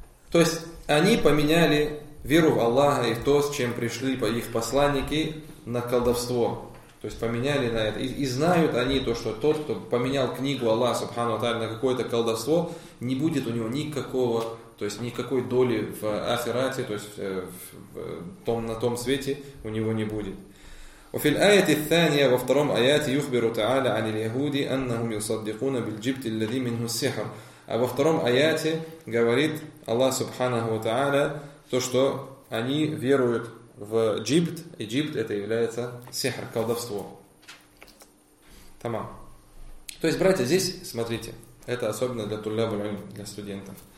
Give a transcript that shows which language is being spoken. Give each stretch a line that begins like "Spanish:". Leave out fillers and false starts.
Russian: То есть они поменяли веру в Аллаха и в то, с чем пришли их посланники, на колдовство. То есть поменяли на это. И знают они то, что тот, кто поменял книгу Аллаха субхану ва тааля на какое-то колдовство, не будет у него никакого, то есть никакой доли в ахирате, то есть на том свете у него не будет.
Arabic: وفي الآية الثانية
Russian: во втором аяте
Arabic: يخبر تعالى عن اليهود أنهم يصدقون بالجبت الذي منه السحر.
Russian: А во втором аяте говорит Аллах субханаху ва тааля то, что они веруют в джибт. И джибт это является сихр, колдовство. Тамам. То есть, братья, здесь, смотрите, это особенно для туллаб аль-ильм, для студентов.